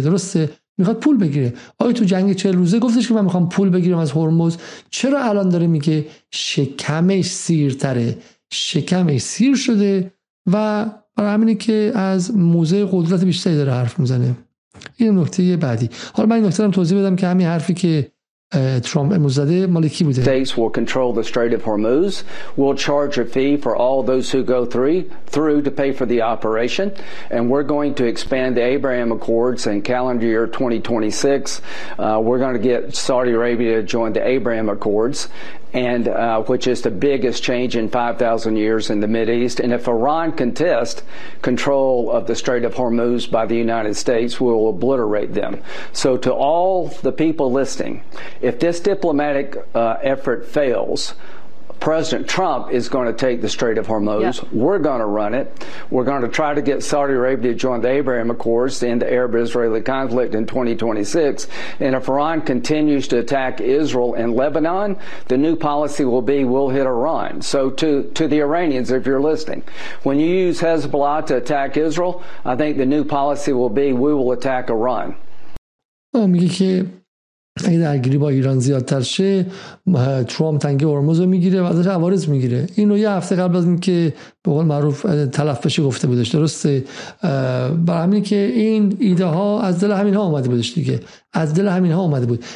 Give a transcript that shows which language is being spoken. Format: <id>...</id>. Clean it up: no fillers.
<fa>درسته؟ میخواد پول بگیره. آیا تو جنگ 40 روزه گفتش که من میخوام پول بگیرم از هرمز؟ چرا الان داره میگه شکمش سیرتره، شکمش سیر شده و برای همینه که از موزه قدرت بیشتری داره حرف میزنه. این نکته بعدی. حالا من این نکته رو توضیح بدم که همین حرفی که ترامپ مزده مالکی بوده.</fa> <en>States will control the Strait of Hormuz. We'll charge a fee for all those who go through to pay for the operation. And we're going to expand the Abraham Accords in calendar year 2026. We're going to get Saudi Arabia to join the Abraham Accords, and which is the biggest change in 5,000 years in the Middle East. And if Iran contests control of the Strait of Hormuz by the United States, we will obliterate them. So to all the people listening, if this diplomatic effort fails, President Trump is going to take the Strait of Hormuz. Yeah. We're going to run it. We're going to try to get Saudi Arabia to join the Abraham Accords to end the Arab-Israeli conflict in 2026. And if Iran continues to attack Israel and Lebanon, the new policy will be we'll hit Iran. So to the Iranians, if you're listening, when you use Hezbollah to attack Israel, I think the new policy will be we will attack Iran.</en> <fa>اگه درگیری با ایران زیادتر شه، ترامپ تنگه هرمز رو میگیره و ازش عوارض میگیره. اینو یه هفته قبل از این که به قول معروف تلف بشه گفته بودش، درسته؟ برای همین که این ایده ها از دل همین ها اومده بودش دیگه، از دل همین ها اومده بود.</fa>